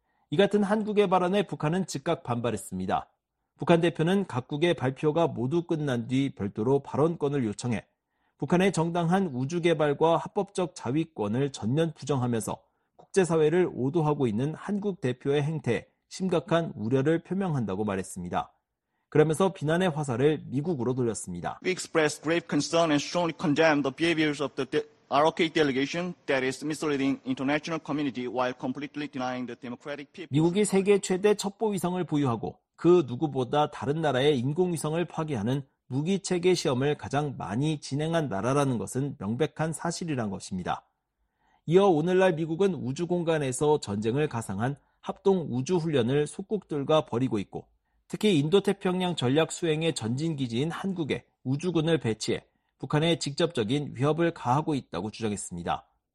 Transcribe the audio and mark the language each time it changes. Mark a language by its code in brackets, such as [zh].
[ko] 이 같은 한국의 발언에 북한은 즉각 반발했습니다. 북한 대표는 각국의 발표가 모두 끝난 뒤 별도로 발언권을 요청해 북한의 정당한 우주 개발과 합법적 자위권을 전면 부정하면서 국제사회를 오도하고 있는 한국 대표의 행태에 심각한 우려를 표명한다고 말했습니다. 그러면서 비난의 화살을 미국으로 돌렸습니다. [en] We express grave concern and strongly condemn the behaviors of the ROK delegation that is misleading international community while completely denying the democratic people. [ko] 미국이 세계 최대 첩보 위성을 보유하고 그 누구보다 다른 나라의 인공위성을 파괴하는 무기체계 시험을 가장 많이 진행한 나라라는 것은 명백한 사실이란 것입니다. 이어 오늘날 미국은 우주공간에서 전쟁을 가상한 합동우주훈련을 속국들과 벌이고 있고 특히 인도태평양 전략수행의 전진기지인 한국에 우주군을 배치해 북한에 직접적인 위협을 가하고 있다고 주장했습니다.